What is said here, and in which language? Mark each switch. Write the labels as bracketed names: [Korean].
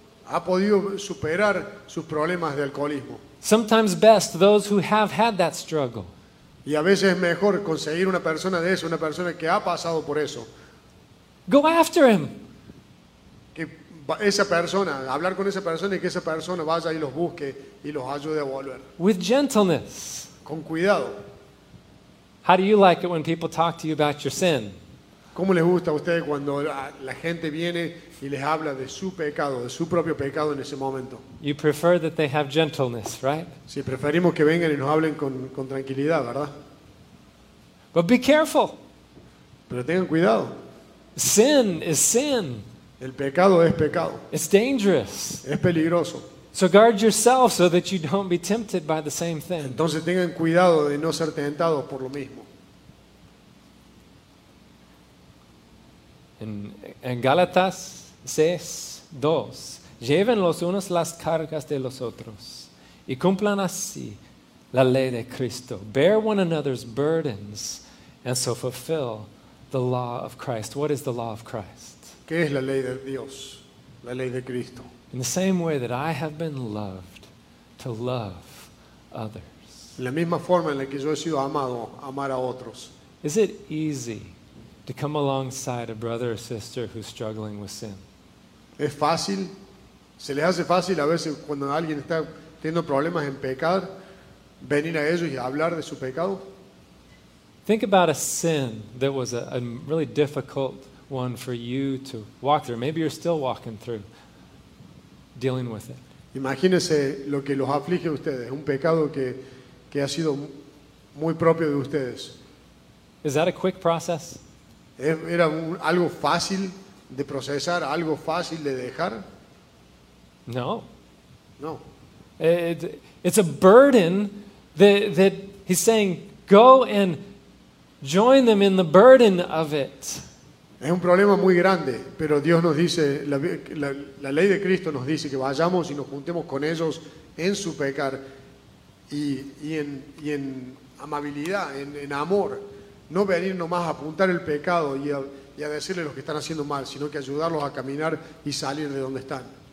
[Spanish] ¿Ha podido superar sus problemas de alcoholismo? [English] Sometimes best those who have had that struggle. [Spanish] Y a veces es mejor conseguir una persona de eso, una persona que ha pasado por eso. [English] Go after him. [Spanish] Que esa persona, hablar con esa persona y que esa persona vaya y los busque y los ayude a volver. [English] With gentleness. [Spanish] Con cuidado. [English] How do you like it when people talk to you about your sin? [Spanish] ¿Cómo les gusta a ustedes cuando la gente viene y les habla de su pecado, de su propio pecado en ese momento? [English] You prefer that they have gentleness, right? [Spanish] Sí, preferimos que vengan y nos hablen con tranquilidad, ¿verdad? [English] But be careful. [Spanish] Pero tengan cuidado. [English] Sin is sin. [Spanish] El pecado es pecado. [English] It's dangerous. [Spanish] Es peligroso. [English] So guard yourself so that you don't be tempted by the same thing. [Spanish] Entonces tengan cuidado de no ser tentados por lo mismo. En Gálatas 6:2, lleven los unos las cargas de los otros y cumplan así la ley de Cristo. [English] Bear one another's burdens and so fulfill the law of Christ. What is the law of Christ? [Spanish] ¿Qué es la ley de Dios? La ley de Cristo. [English] In the same way that I have been loved, to love others. [Spanish] La misma forma en la que yo he sido amado, amar a otros. [English] Is it easy to come alongside a brother or sister who's struggling with sin? [Spanish] ¿Es fácil? ¿Se les hace fácil a veces cuando alguien está teniendo problemas en pecar, venir a ellos y hablar de su pecado? [English] Think about a sin that was a really difficult one for you to walk through. Maybe you're still walking through. Dealing with it. [Spanish] Imagínense lo que los aflige a ustedes, un pecado que ha sido muy propio de ustedes. [English] Is that a quick process? [Spanish] Era algo fácil de procesar, algo fácil de dejar. [English] No. [Spanish] No. [English] It's a burden that he's saying, go and join them in the burden of it. [Spanish] Es un problema muy grande, pero Dios nos dice, la ley de Cristo nos dice que vayamos y nos juntemos con ellos en su pecar y en amabilidad, en amor. No venir nomás a apuntar el pecado y a decirle lo que están haciendo mal, sino que ayudarlos a caminar y salir de donde están.